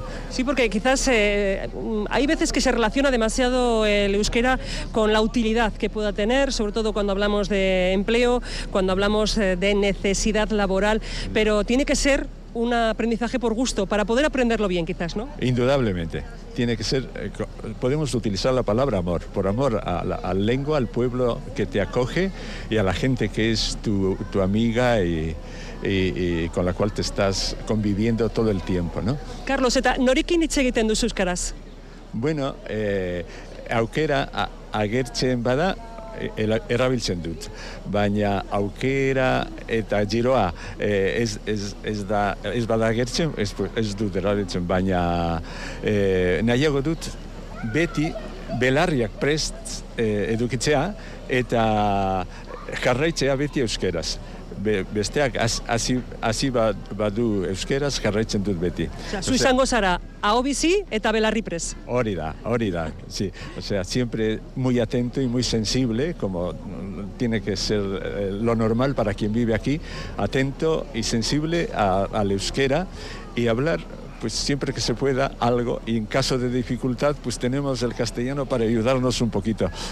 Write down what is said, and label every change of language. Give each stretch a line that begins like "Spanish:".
Spanish: Sí, porque quizás hay veces que se relaciona demasiado el euskera con la utilidad que pueda tener, sobre todo cuando hablamos de empleo, cuando hablamos de necesidad laboral, pero tiene que ser un aprendizaje por gusto, para poder aprenderlo bien quizás, ¿no? Indudablemente. Tiene que ser, podemos utilizar la palabra amor, por amor a la lengua, al pueblo que te acoge y a la gente que es tu amiga y con la cual te estás conviviendo todo el tiempo, ¿no?
Basque: Carlos, eta norekin hitz egiten duzu euskaraz? Bueno, aukera agertzen bada, erabiltzen dut, baina aukera eta giroa ez bada agertzen, ez dut erabiltzen, baina nahiago dut beti belarriak prest edukitzea eta jarraitzea beti euskeraz. Besteak hasi badu euskeraz, jarraitzen dut beti. Zu izango zara, aho bizi eta belarri prez. Hori da, sí.
Spanish: O sea, siempre muy atento y muy sensible, como tiene que ser lo normal para quien vive aquí, atento y sensible al euskera y hablar, pues siempre que se pueda, algo. Y en caso de dificultad, pues tenemos el castellano para ayudarnos un poquito.